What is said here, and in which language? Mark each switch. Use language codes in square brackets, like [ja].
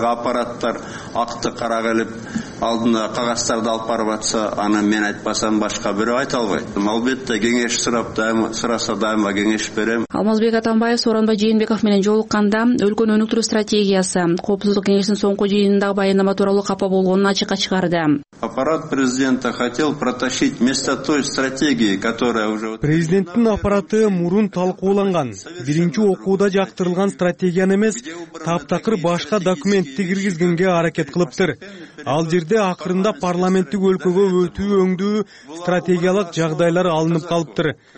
[ky] Аппараттар акты кара келип алдына кагаздарды алып барып атса, аны мен айтпасам башка бирөө айта албайт. Албетте кеңеш сурап дайыма сураса дайыма кеңеш берем. Алмазбек Атамбаев Сооронбай Жээнбеков менен жолукканда өлкөнүн өнүктүрүү стратегиясы, коопсуздук кеңешинин соңку жыйынындагы баяндама тууралуу капа болгонун ачыкка чыгарды. [ru] Аппарат президента хотел протащить вместо той стратегии, которая уже [ky] президенттин аппараты мурун талкууланган биринчи окууда жактырылган стратегияны эмес таптакыр башка документти киргизгенге аракет кылыптыр. Ал жерде акырында парламенттик өлкөгө өтүү өңдүү стратегиялык жагдайлар алынып калыптыр.